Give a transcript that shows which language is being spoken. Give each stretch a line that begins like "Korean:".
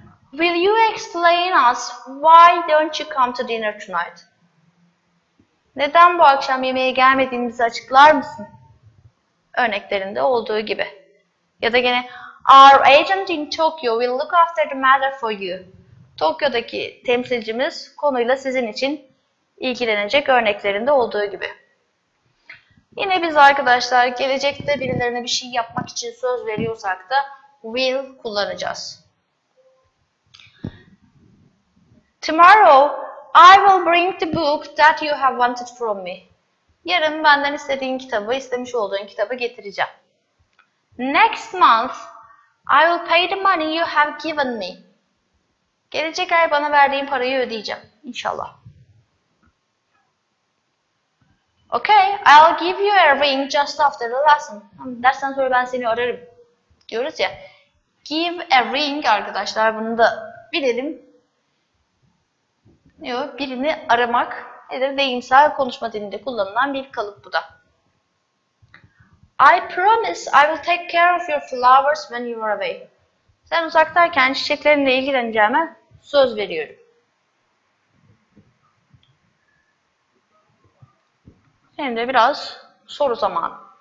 English: Will you explain us why don't you come to dinner tonight?
Turkish: Neden bu akşam yemeğe gelmediğimizi açıklar mısın? Örneklerinde olduğu gibi. Ya da gene
English: our agent in Tokyo will look after the matter for you.
Turkish: Tokyo'daki temsilcimiz konuyla sizin için ilgilenecek örneklerinde olduğu gibi. Yine biz arkadaşlar gelecekte birilerine bir şey yapmak için söz veriyorsak da will kullanacağız.
English: Tomorrow I will bring the book that you have wanted from me.
Turkish: Yarın benden istediğin kitabı, istemiş olduğun kitabı getireceğim.
English: Next month I will pay the money you have given me.
Turkish: Gelecek ay bana verdiğin parayı ödeyeceğim inşallah.
English: Okay, I'll give you a ring just after the lesson.
Turkish: Dersten sonra ben seni ararım diyoruz ya.
English: Give a ring
Turkish: arkadaşlar, bunu da bilelim. Yok, birini aramak nedir? Deyimsel konuşma dilinde kullanılan bir kalıp bu da.
English: I promise I will take care of your flowers when you are away.
Turkish: Sen uzaktayken çiçeklerinle ilgileneceğime söz veriyorum. Hem de biraz soru zamanı.